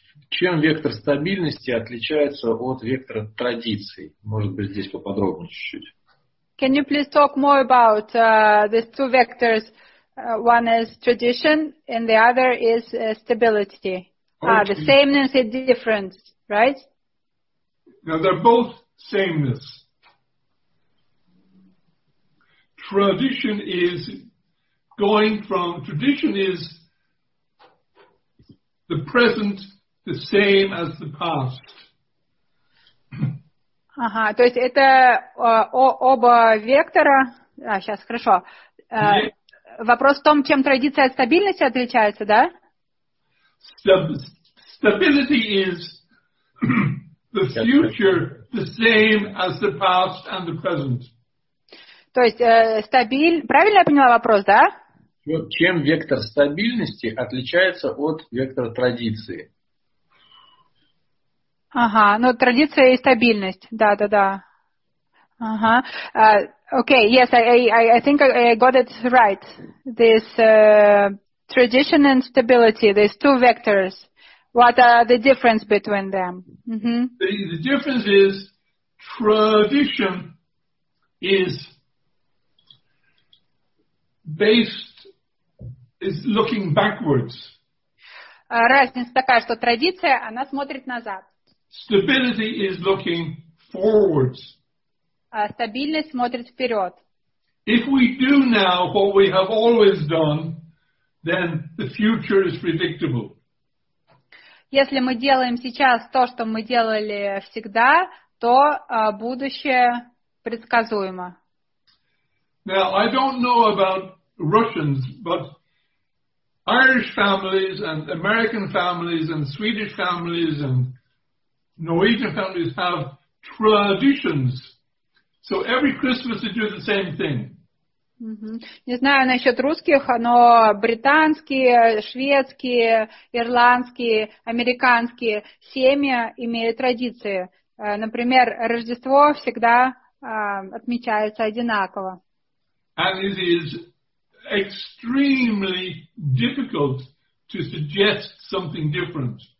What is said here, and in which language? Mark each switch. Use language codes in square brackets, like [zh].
[ru] Чем вектор стабильности отличается от вектора традиций? Может быть, здесь поподробнее чуть-чуть. [en] Can you please talk more about these two vectors? One is tradition and the other is stability. Okay. The sameness and difference, right? Now, they're both sameness. Tradition is going from, tradition is the present the same as the past. [ru] Ага, то есть это оба вектора. А, сейчас, хорошо. Вопрос в том, чем традиция от стабильности отличается, да? [en] Stability is the future the same as the past and the present. [ru] То есть правильно я поняла вопрос, да? Чем вектор стабильности отличается от вектора традиции? Ага, ну традиция и стабильность, да-да-да. [en] Ага, okay, yes, I think I got it right. This tradition and stability, these two vectors, what are the difference between them? Mm-hmm. The difference is tradition is based, is looking backwards. [ru] Разница такая, что традиция, она смотрит назад. [en] Stability is looking forwards. [ru] Стабильность смотрит вперед. [en] If we do now what we have always done, then the future is predictable. [ru] Если мы делаем сейчас то, что мы делали всегда, то будущее предсказуемо. [en] Now, I don't know about Russians, but Irish families and American families and Swedish families and Norwegian families have traditions. So every Christmas they do the same thing. [ru] Mm-hmm. Не знаю насчет русских, но британские, шведские, ирландские, американские семьи имеют традиции. Например, Рождество всегда отмечается одинаково. [en] And it is extremely difficult to suggest something different.